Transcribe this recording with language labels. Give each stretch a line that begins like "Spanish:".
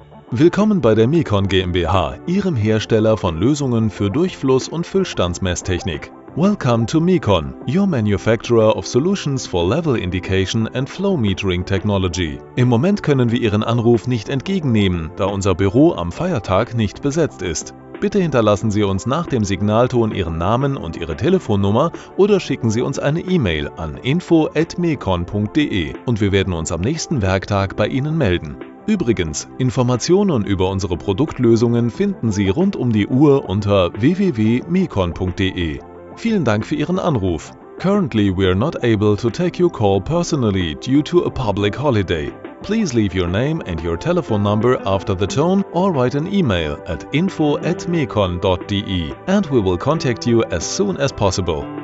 German: Willkommen bei der Mekon GmbH, Ihrem Hersteller von Lösungen für Durchfluss- und Füllstandsmesstechnik.
English: Welcome to Mekon, your manufacturer of solutions for level indication and flow metering technology.
German: Im Moment können wir Ihren Anruf nicht entgegennehmen, da unser Büro am Feiertag nicht besetzt ist. Bitte hinterlassen Sie uns nach dem Signalton Ihren Namen und Ihre Telefonnummer oder schicken Sie uns eine E-Mail an info@mekon.de und wir werden uns am nächsten Werktag bei Ihnen melden. Übrigens, Informationen über unsere Produktlösungen finden Sie rund um die Uhr unter www.mekon.de. Vielen Dank für Ihren Anruf.
English: Currently we are not able to take your call personally due to a public holiday. Please leave your name and your telephone number after the tone or write an email at info@mekon.de and we will contact you as soon as possible.